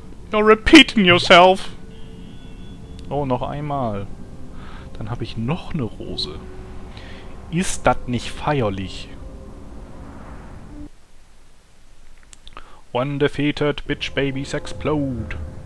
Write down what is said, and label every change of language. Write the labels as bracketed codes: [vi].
[en] You're repeating yourself. [de] Oh, noch einmal. Dann habe ich noch eine Rose. Ist das nicht feierlich? [en] One defeated, bitch babies explode.